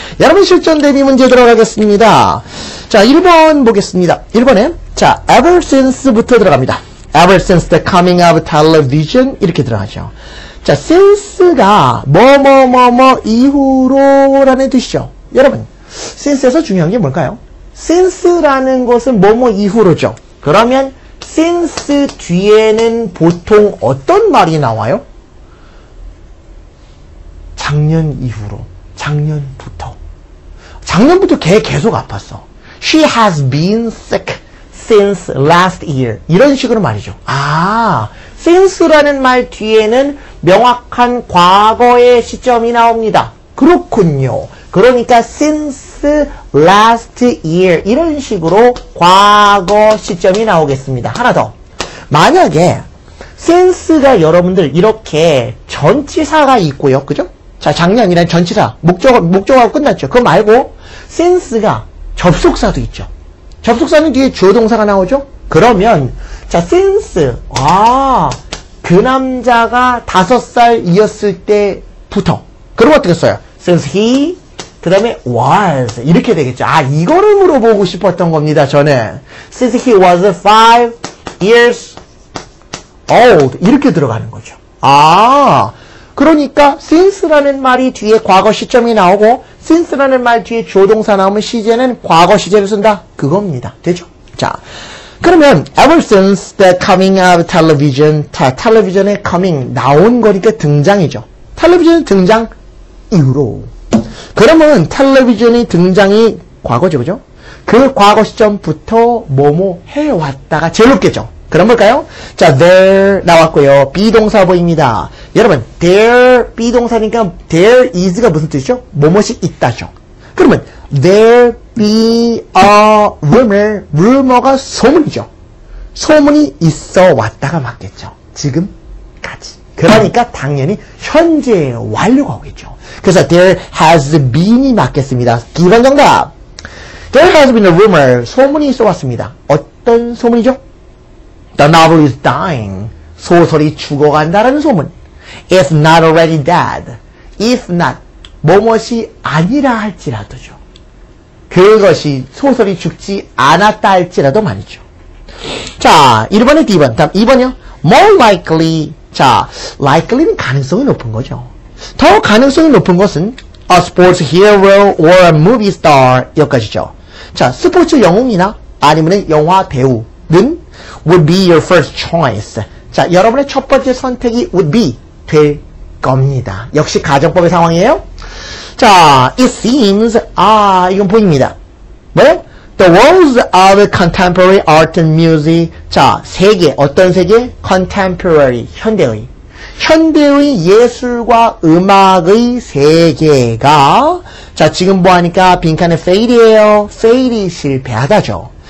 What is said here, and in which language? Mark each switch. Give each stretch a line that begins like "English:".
Korean: 여러분, 실전 대비 문제 들어가겠습니다. 자, 1번 보겠습니다. 1번에, 자, ever since부터 들어갑니다.
English: ever since the coming of television
Korean: 이렇게 들어가죠. 자, since가 뭐뭐뭐뭐 이후로라는 뜻이죠. 여러분, since에서 중요한 게 뭘까요? since라는 것은 뭐뭐 이후로죠. 그러면 since 뒤에는 보통 어떤 말이 나와요? 작년 이후로, 작년부터. 작년부터 걔 계속 아팠어.
English: She has been sick since last year.
Korean: 이런 식으로 말이죠. 아, since라는 말 뒤에는 명확한 과거의 시점이 나옵니다. 그렇군요. 그러니까
English: since last year
Korean: 이런 식으로 과거 시점이 나오겠습니다. 하나 더. 만약에 since가 여러분들 이렇게 전치사가 있고요. 그죠? 자, 작년이란 전치사, 목적하고 끝났죠. 그거 말고 since가 접속사도 있죠. 접속사는 뒤에 주어동사가 나오죠. 그러면 자, since, 아, 그 남자가 5살이었을 때부터, 그럼 어떻게 써요?
English: Since he,
Korean: 그 다음에
English: was.
Korean: 이렇게 되겠죠. 아, 이거를 물어보고 싶었던 겁니다, 저는.
English: Since he was 5 years old.
Korean: 이렇게 들어가는 거죠. 아, 그러니까 since라는 말이 뒤에 과거 시점이 나오고 since라는 말 뒤에 조동사 나오면 시제는 과거 시제를 쓴다. 그겁니다. 되죠? 자, 그러면
English: ever since the coming of television.
Korean: 자, 텔레비전의 coming, 나온 거니까 등장이죠. 텔레비전 등장 이후로. 그러면 텔레비전의 등장이 과거죠, 그죠? 그 과거 시점부터 뭐뭐 해왔다가 제일 높겠죠. 그런 걸까요? 자, there 나왔고요. be 동사 보입니다. 여러분, there, be 동사니까 there is가 무슨 뜻이죠? 뭐뭐시 있다죠. 그러면
English: there be a rumor,
Korean: rumor가 소문이죠. 소문이 있어 왔다가 맞겠죠. 지금까지. 그러니까 당연히 현재 완료가 오겠죠. 그래서
English: there has been
Korean: 이 맞겠습니다. 2번 정답.
English: there has been a rumor,
Korean: 소문이 있어 왔습니다. 어떤 소문이죠?
English: The novel is dying.
Korean: 소설이 죽어간다라는 소문.
English: If not already dead. If not.
Korean: 뭐뭇이 아니라 할지라도죠. 그것이 소설이 죽지 않았다 할지라도 말이죠. 자, 1번에 2번. 다음 2번이요.
English: More likely.
Korean: 자, likely는 가능성이 높은 거죠. 더 가능성이 높은 것은
English: a sports hero or a movie star.
Korean: 여기까지죠. 자, 스포츠 영웅이나 아니면 영화 배우는
English: would be your first choice.
Korean: 자, 여러분의 첫 번째 선택이 would be 될 겁니다. 역시 가정법의 상황이에요. 자, it seems, 아, 이건 보입니다. 뭐요?
English: The world of contemporary art and music.
Korean: 자, 세계, 어떤 세계? contemporary, 현대의. 현대의 예술과 음악의 세계가, 자, 지금 보니까 빈칸에 fail이에요. fail이 실패하다죠.